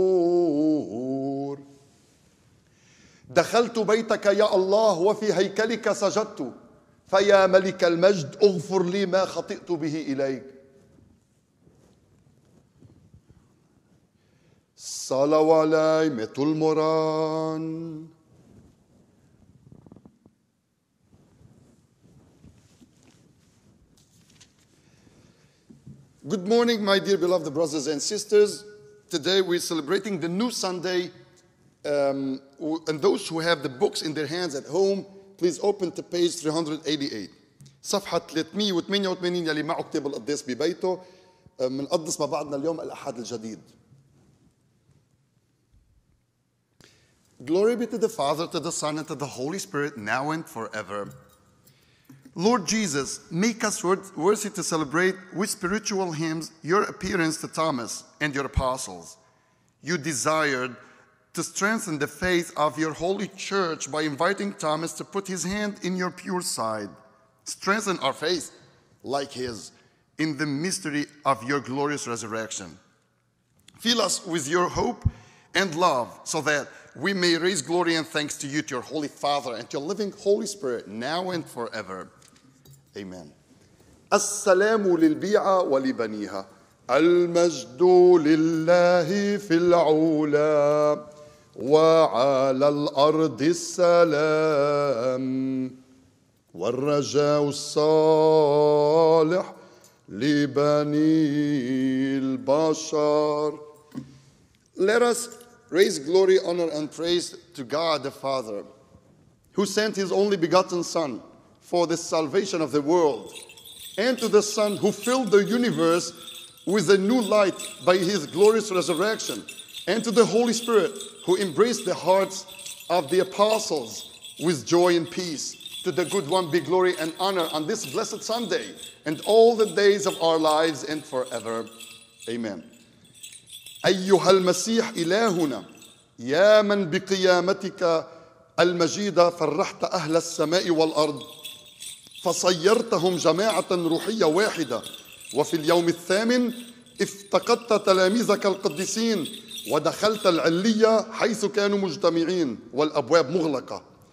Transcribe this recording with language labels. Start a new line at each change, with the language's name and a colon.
Arabic: المعمور دخلت بيتك يا الله وفي هيكلك سجدت فيا ملك المجد اغفر لي ما خطئت به إليك صلى وليمة المران
English: Good morning, my dear beloved brothers and sisters. Today we're celebrating the new Sunday. And those who have the books in their hands at home, please open to page 388.
Arabic: صفحة 388 يلي معه كتاب القديس ببيته منقدس مع بعضنا اليوم الأحد الجديد.
English: Glory be to the Father, to the Son, and to the Holy Spirit, now and forever. Lord Jesus, make us worthy to celebrate with spiritual hymns your appearance to Thomas and your apostles. You desired to strengthen the faith of your holy church by inviting Thomas to put his hand in your pure side. Strengthen our faith, like his, in the mystery of your glorious resurrection. Fill us with your hope and love so that we may raise glory and thanks to you, to your Holy Father, and to your living Holy Spirit, now and forever. Amen.
Arabic: السلام للبيعة ولبنيها المجد لله في العلا وعلى الأرض السلام والرجاء الصالح لبني البشر.
English: Let us raise glory, honor, and praise to God the Father, who sent his only begotten Son for the salvation of the world, and to the Son who filled the universe with a new light by his glorious resurrection, and to the Holy Spirit who embraced the hearts of the apostles with joy and peace. To the good one be glory and honor on this blessed Sunday and all the days of our lives and forever. Amen.
Arabic: أيها المسيح إلهنا يا من بقيامتك المجيدة فرحت أهل السماء والأرض فصيرتهم جماعة روحية واحدة وفي اليوم الثامن افتقدت تلاميذك القديسين ودخلت العلية حيث كانوا مجتمعين والأبواب مغلقة